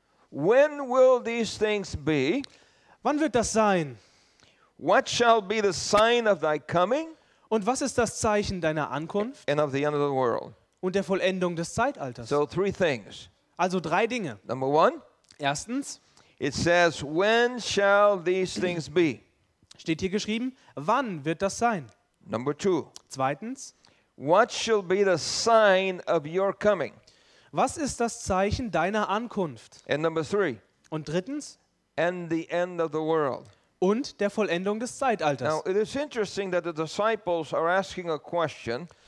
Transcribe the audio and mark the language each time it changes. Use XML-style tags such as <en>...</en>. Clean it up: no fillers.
<en>when will these things be?</en> <de>Wann wird das sein?</de> <en>What shall be the sign of thy coming?</en> <de>Und was ist das Zeichen deiner Ankunft?</de> <en>And of the end of the world.</en> <de>Und der Vollendung des Zeitalters.</de> <en>So three things.</en> <de>Also drei Dinge.</de> <en>Number one.</en> <de>Erstens.</de> <en>It says, when shall these things be?</en> <de>Steht hier geschrieben, wann wird das sein?</de> <en>Number two.</en> <de>Zweitens.</de> <en>What shall be the sign of your coming?</en> <de>Was ist das Zeichen deiner Ankunft?</de> <en>And number three.</en> <de>Und drittens.</de> <en>And the end of the world.</en> <de>Und der Vollendung des Zeitalters.</de> <en>Now it is interesting that the disciples are asking a question.</en>